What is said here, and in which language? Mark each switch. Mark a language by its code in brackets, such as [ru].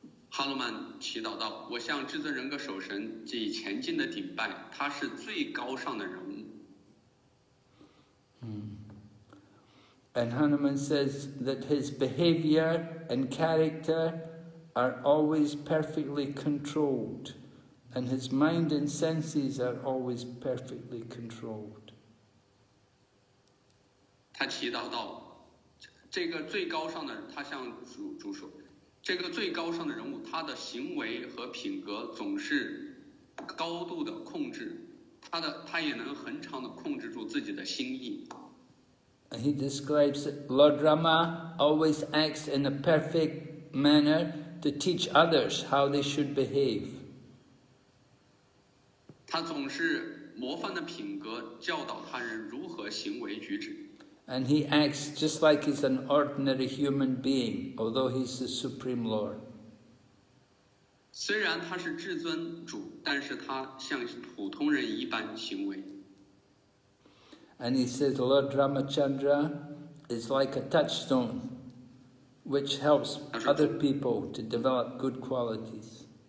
[zh] Hanuman 祈祷道：“我向至尊人格守神寄前进的顶拜，他是最高尚的人物。” [en] And Hanuman says that his behavior and character are always perfectly controlled, and his mind and senses are always perfectly controlled. [zh] 他祈祷道：“这个最高尚的，他向主说，这个最高尚的人物，他的行为和品格总是高度的控制，他也能恒常的控制住自己的心意。 [en] He describes Lord Rama always acts in a perfect manner to teach others how they should behave. [zh] 他总是模范的品格，教导他人如何行为举止。 [en] And he acts just like he's an ordinary human being, although he's the Supreme Lord. [zh] 虽然他是至尊主，但是他像普通人一般行为。 [en] And he says Lord Ramachandra is like a touchstone which helps other people to develop good qualities.